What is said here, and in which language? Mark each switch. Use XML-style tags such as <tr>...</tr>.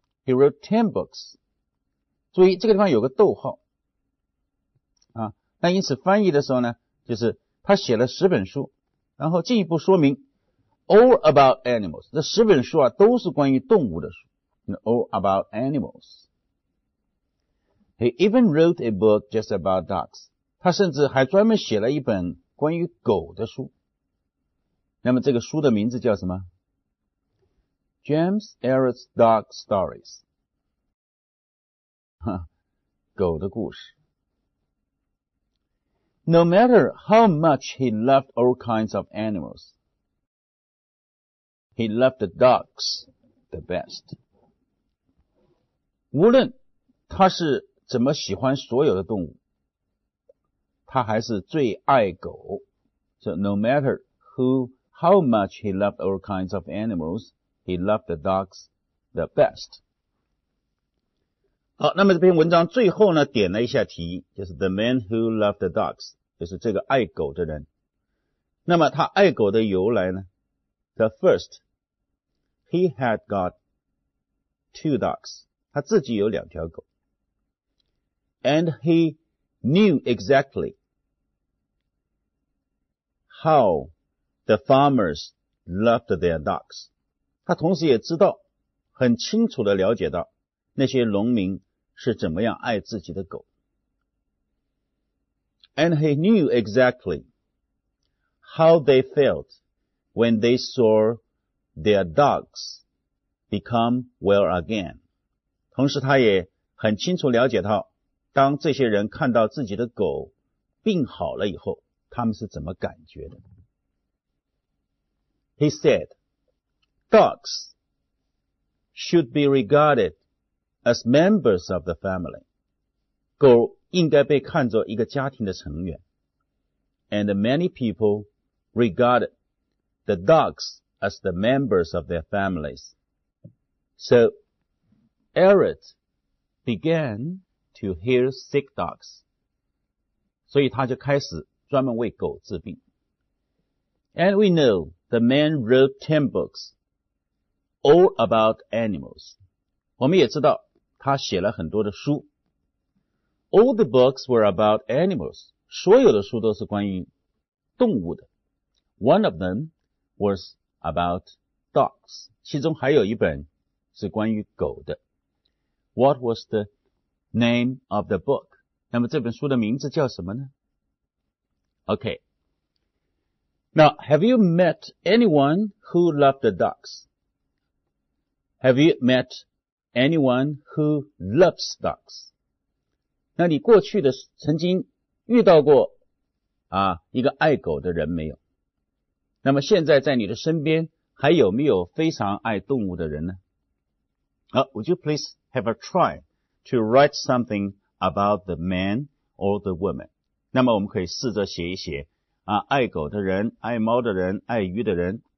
<en>He wrote 10 books.</en> <zh>注意这个地方有个逗号。啊，那因此翻译的时候呢，就是他写了十本书，然后进一步说明</zh> <en>all about animals.</en> <zh>这十本书啊都是关于动物的书。</zh> <en>All about animals. He even wrote a book just about dogs.</en> <zh>他甚至还专门写了一本关于狗的书。那么这个书的名字叫什么</zh> <en>?James Arad's Dog Stories.</en> <zh>狗的故事。</zh> <en>No matter how much he loved all kinds of animals, he loved the dogs the best.</en> <zh>无论他是怎么喜欢所有的动物，他还是最爱狗。</zh> <en>So no matter whohow much he loved all kinds of animals, he loved the dogs the best.</en> <zh>好，那么这篇文章最后呢，点了一下题，就是</zh> <en>the man who loved the dogs,</en> <zh>就是这个爱狗的人。那么他爱狗的由来呢？</zh> <en>The first, he had got two dogs.</en> <zh>他自己有两条狗。</zh> <en>And he knew exactly how the farmers loved their dogs.</en> <zh>他同时也知道，很清楚地了解到那些农民是怎么样爱自己的狗。</zh> <en>And he knew exactly how they felt when they saw their dogs become well again.</en> <zh>同时他也很清楚了解到，当这些人看到自己的狗病好了以后，他们是怎么感觉的。</zh> <en>He said, dogs should be regarded as members of the family.</en> <zh>狗应该被看作一个家庭的成员。</zh> <en>And many people regard the dogs as the members of their families. So, Eric began to heal sick dogs.</en> <zh>所以他就开始专门为狗治病。</zh> <en>And we know the man wrote 10 books all about animals.</en> <zh>我们也知道他写了很多的书。</zh> <en>All the books were about animals.</en> <zh>所有的书都是关于动物的。</zh> <en>One of them was about dogs.</en> <zh>其中还有一本是关于狗的。</zh> <en>What was the name of the book?</en> <zh>那么这本书的名字叫什么呢？</zh> <en>Okay. Now, have you met anyone who loved the dogs? Have you met anyone who loves dogs?</en> <zh>那你过去的曾经遇到过啊一个爱狗的人没有？那么现在在你的身边还有没有非常爱动物的人呢？</zh> <en>好、Would you please have a try to write something about the man or the woman?</en> <zh>那么我们可以试着写一写啊，爱狗的人、爱猫的人、爱鱼的人。</zh>